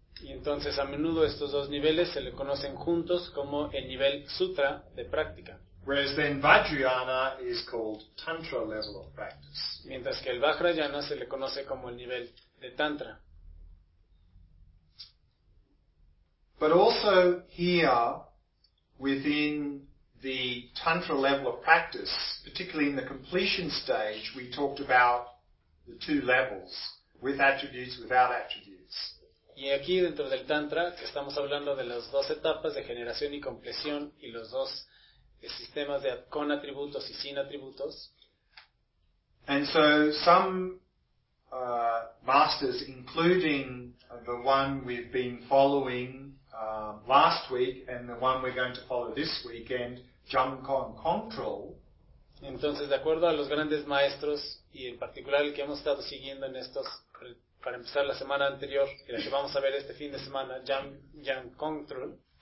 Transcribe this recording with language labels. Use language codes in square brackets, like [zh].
[es] Y entonces a menudo estos dos niveles se le conocen juntos como el nivel sutra de práctica. [en] Whereas then Vajrayana is called Tantra level of practice. [es] Mientras que el Vajrayana se le conoce como el nivel de Tantra. [en] But also here, within the Tantra level of practice, particularly in the completion stage, we talked about the two levels, with attributes, without attributes. [es] Y aquí dentro del Tantra, que estamos hablando de las dos etapas de generación y compleción, y los dos sistemas de con atributos y sin atributos. [en] And so some masters, including the one we've been following last week and the one we're going to follow this weekend, Jhamkon Kongtrul. [es] Entonces, de acuerdo a los grandes maestros y en particular el que hemos estado siguiendo en estos, para empezar la semana anterior y la que vamos a ver este fin de semana, Jhamkon Kongtrul.